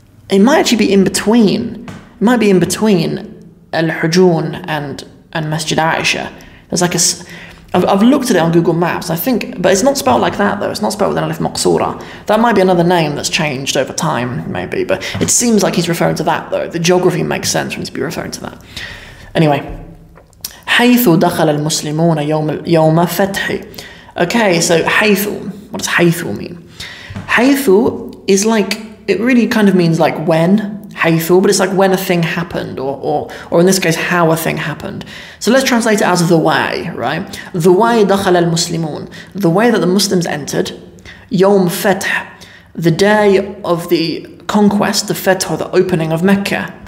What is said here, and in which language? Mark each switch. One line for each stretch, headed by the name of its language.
English: It might actually be in between. It might be in between Al-Hajun and Masjid Aisha. There's like a... I've looked at it on Google Maps, I think, but it's not spelled like that though. It's not spelled with an alif maqsura. That might be another name that's changed over time, maybe, but it seems like he's referring to that though. The geography makes sense for him to be referring to that. Anyway.
Arabic: حيث دخل المسلمون يوم فتح.
English: Okay, so حيث. What does حيث mean? حيث is like, it really kind of means like when. حيث, but it's like when a thing happened, or in this case, how a thing happened. So let's translate it as the way, right? The way
Arabic: دخل المسلمون,
English: the way that the Muslims entered,
Arabic: يوم فتح,
English: the day of the conquest, the فتح, the opening of Mecca.